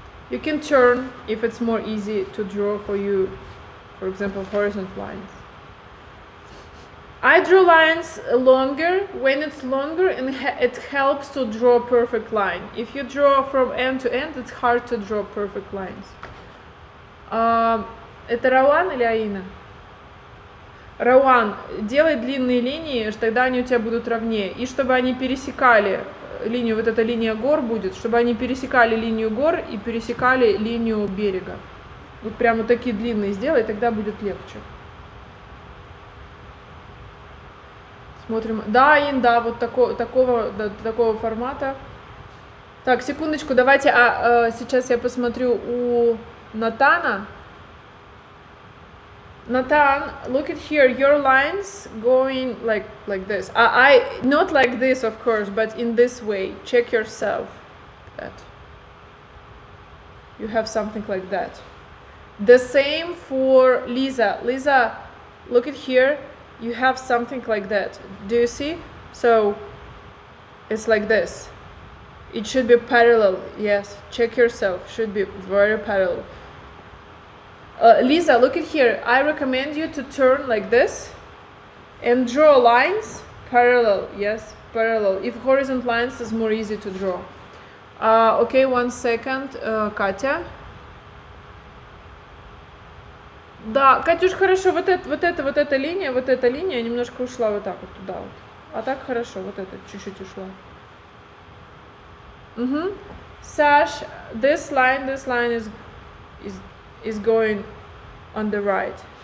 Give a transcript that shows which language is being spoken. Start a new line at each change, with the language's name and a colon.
English: You can turn if it's more easy to draw for you, for example, horizontal lines. I draw lines longer when it's longer and it helps to draw perfect line. If you draw from end to end, it's hard to draw perfect lines.
Russian: Это Рауан или Аина? Рауан, делай длинные линии, тогда они у тебя будут ровнее. И чтобы они пересекали линию, вот эта линия гор будет, чтобы они пересекали линию гор и пересекали линию берега. Вот прямо такие длинные сделай, тогда будет легче. Смотрим. Да, Ин, да, вот такого формата. Так, секундочку, давайте. Сейчас я посмотрю у Натана.
English: Натан, look at here, your lines going like this. I not like this, of course, but in this way. Check yourself. That. You have something like that. The same for Lisa. Lisa, look at here. You have something like that. Do you see? So, it's like this. It should be parallel. Yes, check yourself. Should be very parallel. Lisa, look at here. I recommend you to turn like this and draw lines parallel. Yes, parallel. If horizontal lines is more easy to draw. Okay, 1 second. Katya.
Russian: Да, Катюш, хорошо, вот эта линия немножко ушла вот так вот туда вот. А так хорошо, вот эта чуть-чуть ушла. Угу.
English: Саш, this line is going on the right.